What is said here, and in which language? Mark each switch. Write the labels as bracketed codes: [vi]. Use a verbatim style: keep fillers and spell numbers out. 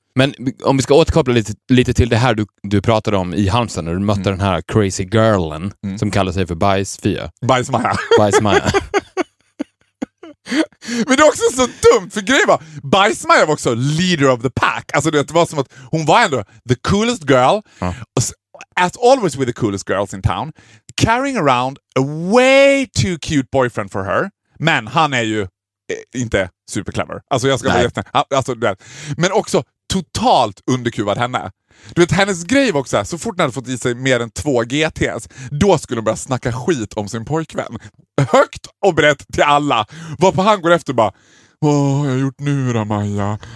[sv] Men om vi ska återkoppla lite, lite till det här du, du pratade om i Halmstad när du mötte mm. den här crazy girlen mm. som kallar sig för Bajsfia. Bajsmaja. Bajsmaja. Men det är också så dumt, för grejen var, Bajsmaja var också [en] leader of the pack. [sv] Alltså det var som att hon var ändå [en] the coolest girl, [sv] mm. [en] as always with the coolest girls in town, carrying around a way too cute boyfriend for her. [sv] Men han är ju inte superclever. Alltså jag ska vara jätte... Alltså, men också totalt underkuvad henne. Du vet, hennes grej var också här, så fort hon hade fått i sig mer än två G Ts, då skulle hon börja snacka skit om sin pojkvän. Högt och brett till alla. Varpå han går efter och bara, vad har jag gjort nu då, Maja?